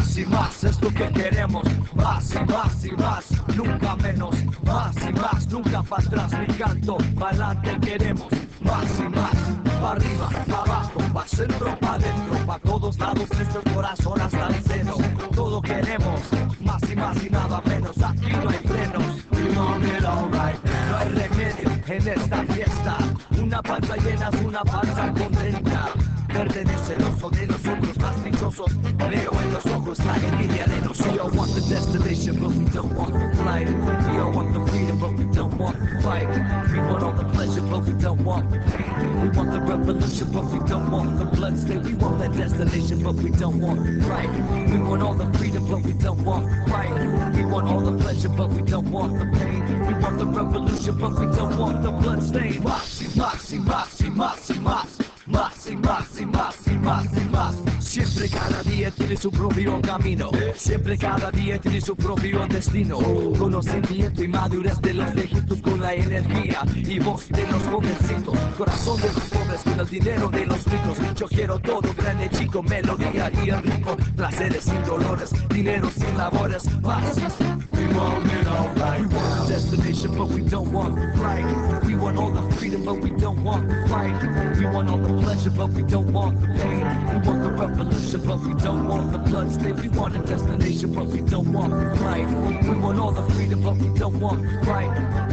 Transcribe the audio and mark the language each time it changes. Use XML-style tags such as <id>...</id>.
<es>Más es lo que queremos, más y más y más, nunca menos, más y más, nunca para atrás ni canto, para adelante queremos, más y más, para arriba, para abajo, para centro, para adentro, para todos lados, nuestro corazón hasta el seno, todo queremos, más y más y nada menos, aquí no hay frenos,</es> <en>we want it all right now.</en> <es>No hay remedio en esta fiesta, una panza llena es una panza contenta.</es> <en>We all want the destination, but we don't want the flight. We all want the freedom, but we don't want the fight. We want all the pleasure, but we don't want the pain. We want the revolution, but we don't want the bloodstain. We want that destination, but we don't want the fight. We want all the freedom, but we don't want the fight. We want all the pleasure, but we don't want the pain. We want the revolution, but we don't want the bloodstain.</en> <es>Moxie, moxie, moxie, moxie, moxie. Mas y mas y mas y mas y mas. Siempre cada día tiene su propio camino. Siempre cada día tiene su propio destino. Conocimiento y madurez de los viejitos con la energía y voz de los jovencitos. Corazón de los pobres con el dinero de los ricos. Yo quiero todo grande, chico, melodía y el rico. Placeres sin dolores, dinero sin labores. Paz.</es> <en>We want it all right. We want a destination, but we don't want the flight. We want all the freedom, but we don't want the fight. We want all the pleasure, but we don't want the pain. We want the revolution, but we don't want the bloodstain. We want a destination, but we don't want the flight. We want all the freedom, but we don't want the fight.</en>